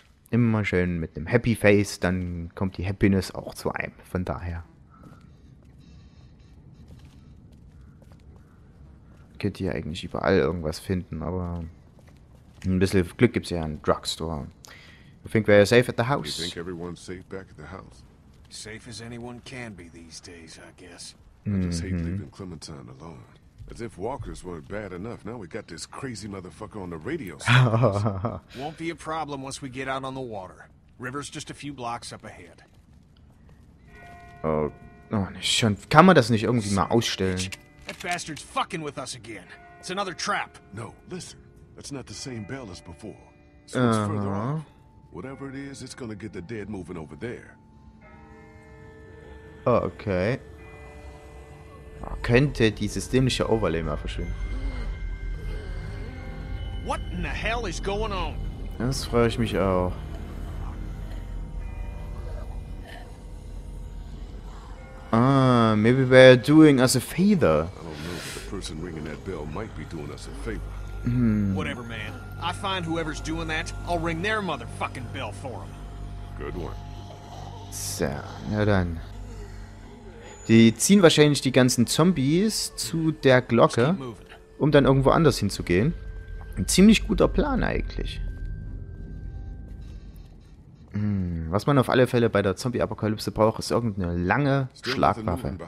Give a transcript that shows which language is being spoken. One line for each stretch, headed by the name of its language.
German: Immer schön mit einem Happy Face, dann kommt die Happiness auch zu einem. Von daher. Könnt ihr eigentlich überall irgendwas finden, aber ein bisschen Glück gibt es ja in Drugstore.
English: You think we're safe at the house? You think everyone's safe back at the house? Safe as anyone can be these days, I guess. I just hate leaving Clementine alone. As if walkers weren't bad enough, now we got this crazy motherfucker on the radio. Won't be a problem once we get out on the water. River's just a few blocks up ahead.
German: Oh, schon. Kann man das nicht irgendwie mal ausstellen?
English: That bastard's fucking with us again. It's another trap. No, listen. That's not the same bell as before. So it's further on. Whatever it is, it's gonna get the dead moving over there. Okay.
German: Oh, könnte dieses dämliche Overlay mal verschwinden.
English: What in the hell is going on?
German: Das freue ich mich auch.
English: Ah, maybe they're doing us a favor. I don't know, but the person ringing that bell might be doing us a favor. Whatever, man. I find whoever's doing that, I'll ring their motherfucking bell for them. Good one.
German: So, na dann. Die ziehen wahrscheinlich die ganzen Zombies zu der Glocke, um dann irgendwo anders hinzugehen. Ein ziemlich guter Plan eigentlich. Was man auf alle Fälle bei der Zombie-Apokalypse braucht, ist irgendeine lange Schlagwaffe.